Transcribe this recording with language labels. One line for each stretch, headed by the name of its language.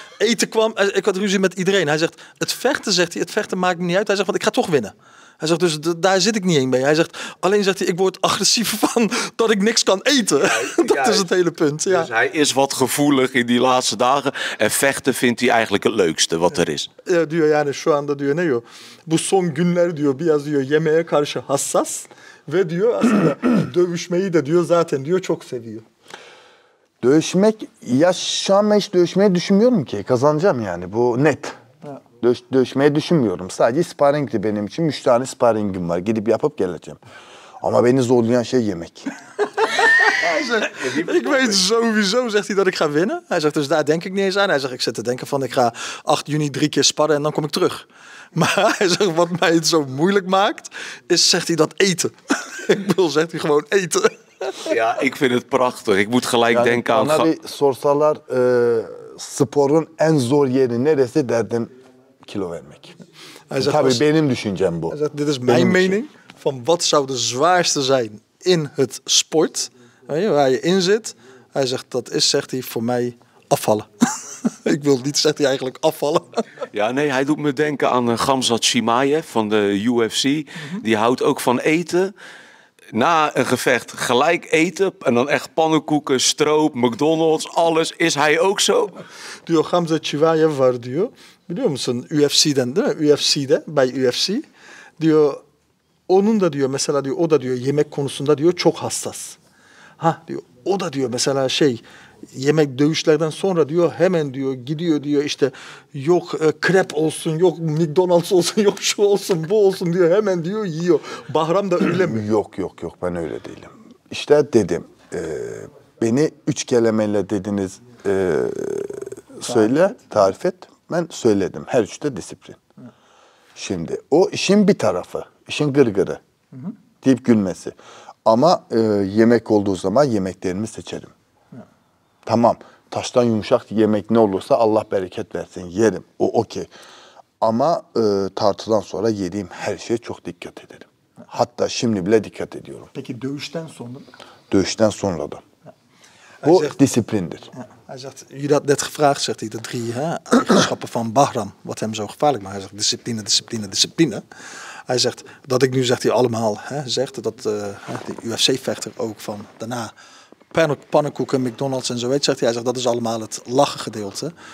Dutch: Eten kwam, ik had ruzie met iedereen. Hij zegt, het vechten, zegt hij, het vechten maakt me niet uit. Hij zegt, want ik ga toch winnen. Hij zegt, dus daar zit ik niet in mee. Hij zegt, alleen zegt hij, ik word agressief van dat ik niks kan eten. Ja, dat is het hele punt, ja. Dus hij is wat gevoelig in die laatste dagen. En vechten vindt hij eigenlijk het leukste wat er is.
Turkish: Ja, diyor yani şu anda diyor ne diyor. Bu son günler diyor, biraz diyor yemeğe karşı hassas. Ve diyor aslında dövüşmeyi de diyor zaten diyor çok seviyor. Dövüşmek, ya şu an hiç dövüşmeyi düşünmüyorum ki. Kazanacağım yani, bu net. Dövüşmeyi düşünmüyorum. Sadece sparringdi benim için. 3 tane sparringim var. Gidip yapıp geleceğim. Ama beni zorlayan şey yemek.
Dutch: Ik weet sowieso, zegt hij, dat ik ga winnen. Hij zegt, dus daar denk ik niet eens aan. Hij zegt, ik zit te denken van, ik ga 8 juni 3 keer sparren en dan kom ik terug. Maar hij zegt, wat mij het zo moeilijk maakt, is, zegt hij, dat eten. Ik bedoel, zegt hij, gewoon eten. Ja, ik vind het prachtig. Ik moet gelijk denken aan...
Turkish: Bana bir sorsalar, sporun en zor yeri neresi derdim. Kilo vermek.
Dutch: Hij zegt,
Turkish: tabii benim düşüncem bu.
Dutch: Hij zegt, dit is mijn mening van wat zou de zwaarste zijn in het sport, weet je, waar je in zit. Hij zegt, dat is, zegt hij, voor mij afvallen. Ik wil niet, zegt hij eigenlijk, afvallen. Ja, nee, hij doet me denken aan Khamzat Chimaev van de UFC. Mm-hmm. Die houdt ook van eten. Na een gevecht gelijk eten en dan echt pannenkoeken, stroop, McDonald's, alles. Is hij ook zo?
Turkish: Duo Khamzat Chimaev var diyor. Biliyor musun UFC'den değil mi? UFC'de, by UFC. Diyor, onun da diyor mesela diyor, o da diyor yemek konusunda diyor çok hassas. Ha diyor, o da diyor mesela şey, yemek dövüşlerden sonra diyor hemen diyor gidiyor diyor işte yok krep olsun, yok McDonald's olsun, yok şu olsun, bu olsun diyor hemen diyor yiyor. Bahram da öyle mi? Yok yok yok, ben öyle değilim. İşte dedim, beni üç kelimeyle dediniz, söyle, tarif et. Ben söyledim. Her üçte disiplin. Şimdi o işin bir tarafı. İşin gırgırı. Deyip gülmesi. Ama yemek olduğu zaman yemeklerimi seçerim. Tamam. Taştan yumuşak yemek ne olursa Allah bereket versin. Yerim. O okey. Ama tartıdan sonra yediğim her şeye çok dikkat ederim. Hatta şimdi bile dikkat ediyorum. Peki dövüşten sonra mı? Dövüşten sonra da. Bu disiplindir.
Dutch: Hij zegt, jullie had net gevraagd, zegt hij, de drie eigenschappen van Bahram, wat hem zo gevaarlijk maakt. Hij zegt, discipline, discipline, discipline. Hij zegt, dat ik nu, zegt hij, allemaal, hè, zegt dat de UFC-vechter ook van daarna pannenkoeken, McDonald's en zo weet, zegt hij. Hij zegt, dat is allemaal het lachen gedeelte.